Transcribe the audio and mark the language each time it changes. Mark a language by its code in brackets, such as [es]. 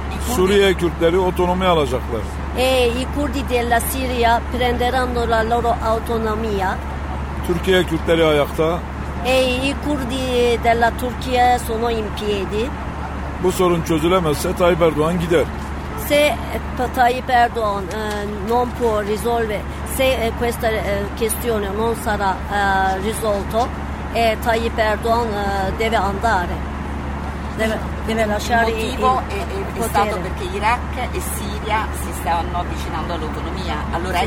[tr] Suriye Kürtleri otonomi alacaklar. [it] I curdi della Siria prenderanno la loro autonomia. [tr] Türkiye Kürtleri ayakta. [it] I curdi della Turchia sono in piedi. [tr] Bu sorun çözülemezse Tayyip Erdoğan gider. [it] Se Tayyip Erdoğan non può risolvere, se questa questione non sarà risolto, Tayyip Erdoğan deve andare. Deve lasciare il motivo è stato perché Iraq e Siria si stanno avvicinando all'autonomia. Allora sì.